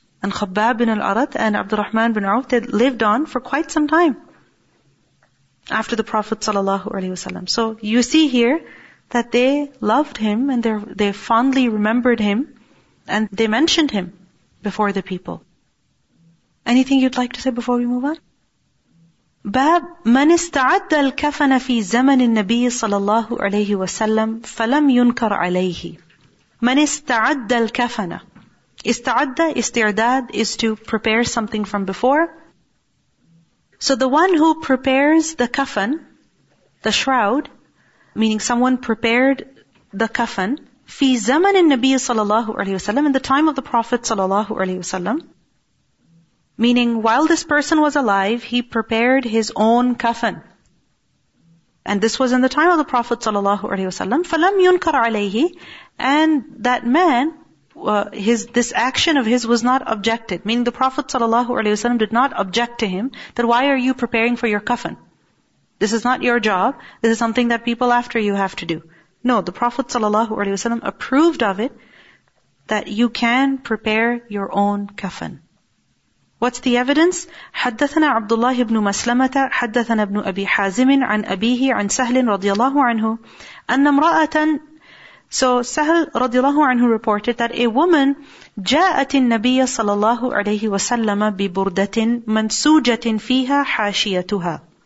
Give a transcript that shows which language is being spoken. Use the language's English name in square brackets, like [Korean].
[English] And Khabbab bin al-Arad and Abdurrahman bin Auf, they lived on for quite some time after the Prophet sallallahu alaihi wasallam. So you see here that they loved him and they fondly remembered him and they mentioned him before the people. Anything you'd like to say before we move on? [Arabic] باب من استعد الكفن في زمن النبي صلى الله عليه وسلم فلم ينكر عليه. من استعد الكفن. [English] استعد, استعداد, is to prepare something from before. So the one who prepares the kafan, the shroud, meaning someone prepared the kafan, [Arabic] في زمن النبي صلى الله عليه وسلم, [English] in the time of the Prophet [Arabic] صلى الله عليه وسلم, [English] meaning while this person was alive, he prepared his own kafan. And this was in the time of the Prophet sallallahu alaihi wasallam. [Arabic] فَلَمْ يُنْكَرْ عَلَيْهِ. [English] And that man, this action of his was not objected. Meaning the Prophet sallallahu alaihi wasallam did not object to him, that why are you preparing for your kafan? This is not your job. This is something that people after you have to do. No, the Prophet sallallahu alaihi wasallam approved of it, that you can prepare your own kafan. What's the evidence? [Arabic] حدثنا عبد الله بن مسلمة حدثنا ابن أبي حازم عن أبيه عن سهل رضي الله عنه أن امرأة. So سهل رضي الله عنه [English] reported that a woman [Arabic] جاءت النبي صلى الله عليه وسلم ببردة منسوجة فيها حاشيتها.